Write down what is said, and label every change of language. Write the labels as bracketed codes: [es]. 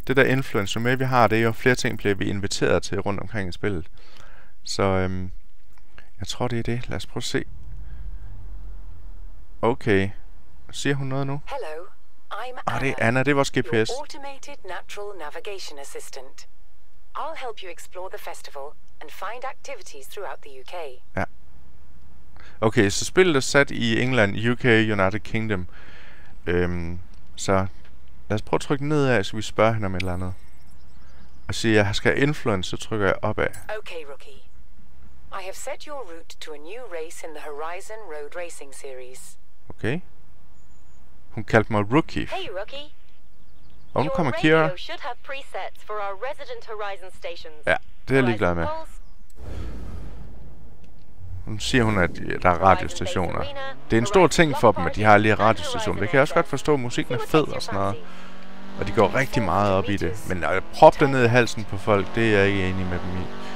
[da] Det der influence, jo mere vi har, det er jo flere ting, bliver vi inviteret til rundt omkring i spillet. Så jeg tror, det er det. Lad os prøve at se. Okay. Siger hun noget nu? [en] Hello, I'm Anna. [da] Det er Anna, det er vores GPS. [en] Your automated natural navigation assistant. I'll help you explore the festival and find activities throughout the UK. [da] Ja. Okay, så spillet er sat i England, UK, United Kingdom. Så lad os prøve at trykke ned af, så vi spørger hende om et eller andet. Og siger, jeg skal have influence, så trykker jeg opad. Okay, rookie. [en] I have set your route to a new race in the Horizon Road Racing Series. [da] Okay. Hun kaldte mig rookie. Hey, rookie. Og nu kommer Kira. [en] Should have presets for our resident Horizon stations. [da] Ja, det er jeg ligeglad med. Hun siger, at der er radiostationer. Det er en stor ting for dem, at de har lige radiostationer. Det kan jeg også godt forstå. Musikken er fed og sådan noget. Og de går rigtig meget op i det. Men at proppe det ned i halsen på folk, det er jeg ikke enig med dem i.